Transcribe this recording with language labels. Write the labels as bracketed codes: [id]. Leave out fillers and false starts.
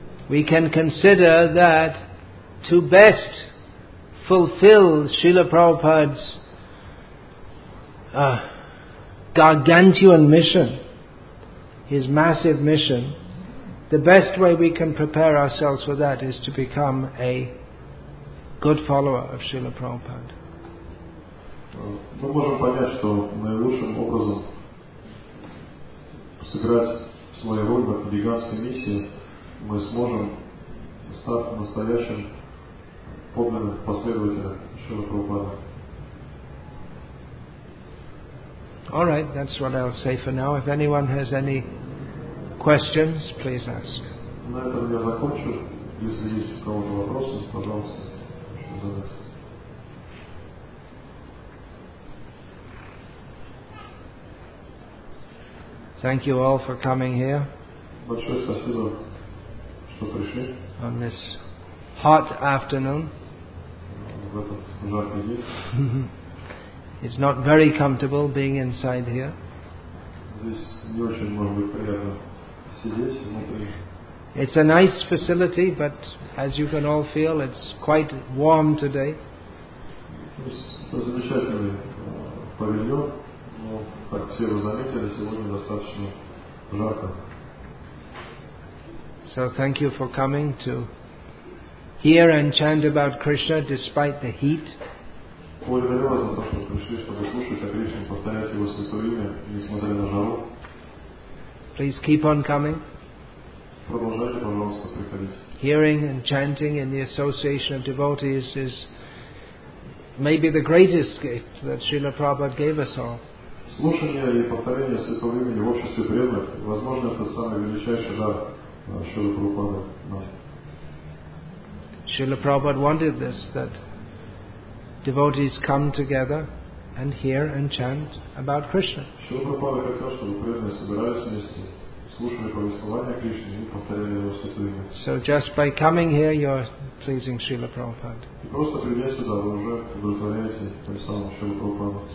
[en] We can consider that to best fulfill Srila Prabhupada's gargantuan mission, his massive mission, the best way we can prepare ourselves for that is to become a good follower of Srila Prabhupada. [ru] Мы можем понять, что наилучшим образом сыграть свою роль в этой гигантской миссии мы сможем стать настоящим подлинным последователем Шрилы Прабхупады. [en] All right, that's what I'll say for now. If anyone has any questions, please ask. [ru] На этом я закончу. Если есть у кого-то вопросы, пожалуйста, задавайте. [en] Thank you all for coming here. [ru] Большое спасибо, что пришли. [en] On this hot afternoon. [ru] в этот жаркий день. [en] It's not very comfortable being inside here. [ru] Здесь не очень, может быть, приятно сидеть внутри. [en] It's a nice facility, but as you can all feel, it's quite warm today. [ru] Это замечательный павильон, но, как все вы заметили, сегодня достаточно жарко. [en] So thank you for coming to hear and chant about Krishna despite the heat. [ru] Благодарю вас за то, что пришли, чтобы слушать о Кришне, повторять его святое имя, несмотря на жару. [en] Please keep on coming. [ru] Продолжайте, пожалуйста, приходить. [en] Hearing and chanting in the association of devotees is maybe the greatest gift that Srila Prabhupada gave us all. [ru] Слушание и повторение святого имени в обществе преданных, возможно, это самый величайший дар Шрила Прабхупады. [en] Srila Prabhupada wanted this, that devotees come together and hear and chant about Krishna. [ru] Srila Prabhupada хотел, чтобы преданные собирались вместе, слушали повествование Кришны и повторяли его святое имя. [en] So just by coming here, you're pleasing Srila Prabhupada. [ru] И просто придя сюда, вы уже удовлетворяете тем самым Шрила Прабхупада.